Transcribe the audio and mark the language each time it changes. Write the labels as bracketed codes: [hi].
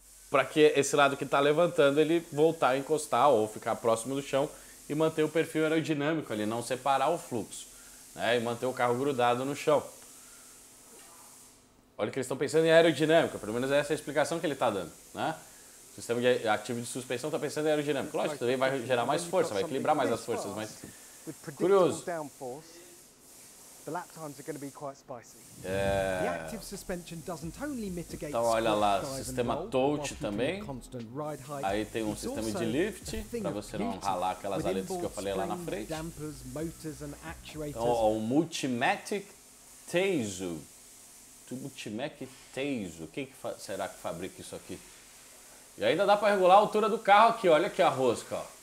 [pt] Para que esse lado que está levantando ele voltar a encostar ou ficar próximo do chão e manter o perfil aerodinâmico ali, não separar o fluxo, né? E manter o carro grudado no chão. Olha que eles estão pensando em aerodinâmica, pelo menos essa é a explicação que ele está dando, né? O sistema de ativo de suspensão está pensando em aerodinâmica. Lógico, também vai gerar mais força, vai equilibrar mais as forças, mas curioso. [en] The lap times are going to be quite spicy. Yeah. The active suspension doesn't only mitigate [pt] então, olha lá, sistema Touch também. Aí tem um sistema de lift para você não ralar aquelas aletas que eu falei lá na frente. [en] Dampers, motors, and actuators. [pt] Então, o Multimatic Taizu Tubutimec Teizo. Quem que será que fabrica isso aqui? E ainda dá para regular a altura do carro aqui. Olha aqui a rosca. Ó.